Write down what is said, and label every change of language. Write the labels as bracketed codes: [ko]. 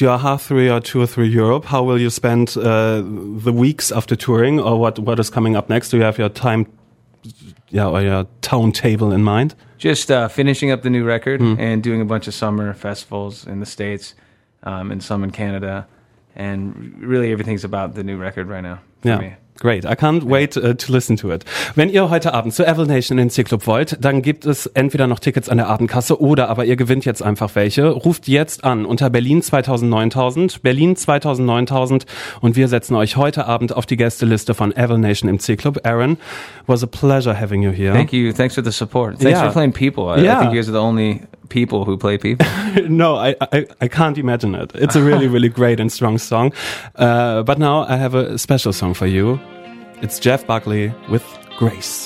[en] You are halfway or two or three Europe. How will you spend the weeks after touring, or what is coming up next? Do you have your time or your town table in mind? Just finishing up the new record and doing a bunch of summer festivals in the States and some in Canada. And really everything's about the new record right now for me. Great, I can't wait to listen to it. [de] Wenn ihr heute Abend zu Evil Nation in den C-Club wollt, dann gibt es entweder noch Tickets an der Abendkasse oder aber ihr gewinnt jetzt einfach welche. Ruft jetzt an unter Berlin 2000 9000 und wir setzen euch heute Abend auf die Gästeliste von Evil Nation im C-Club. [en] Aaron, was a pleasure having you here. Thank you, thanks for the support. Thanks for playing People. I think you guys are the only people who play People. No, I can't imagine it. It's a really, really great and strong song. But now I have a special song for you. It's Jeff Buckley with Grace.